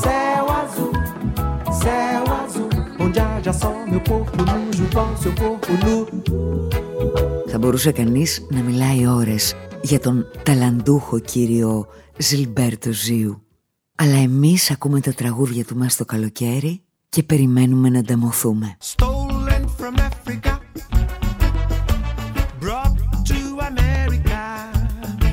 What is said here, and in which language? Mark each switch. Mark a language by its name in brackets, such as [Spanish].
[Portuguese] Céu azul, onde haja sol, meu corpo nu, junto ao seu corpo nu. [Greek] Θα μπορούσε κανείς να μιλάει ώρες για τον ταλαντούχο κύριο Gilberto Gil. Αλλά εμείς ακούμε τα τραγούδια του μας το καλοκαίρι και περιμένουμε να ανταμωθούμε. [English] Stolen from Africa, brought to America, fighting on arrival.